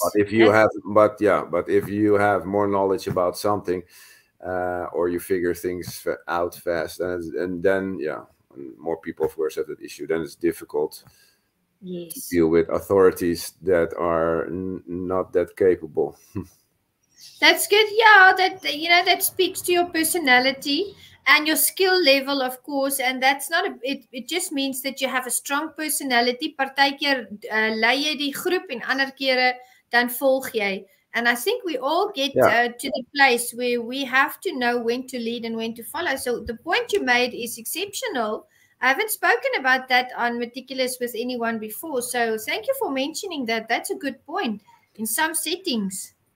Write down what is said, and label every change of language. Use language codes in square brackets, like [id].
[en] But if you have more knowledge about something or you figure things out fast, and more people, of course, have that issue, then it's difficult to deal with authorities that are not that capable. That's good. Yeah, that speaks to your personality. And your skill level, of course, and that's not it just means that you have a strong personality. [af] Partykeer lei jy die groep en ander kere dan volg jy. [en] And I think we all get to the place where we have to know when to lead and when to follow. So the point you made is exceptional. I haven't spoken about that on Meticulous with anyone before. So thank you for mentioning that. That's a good point in some settings.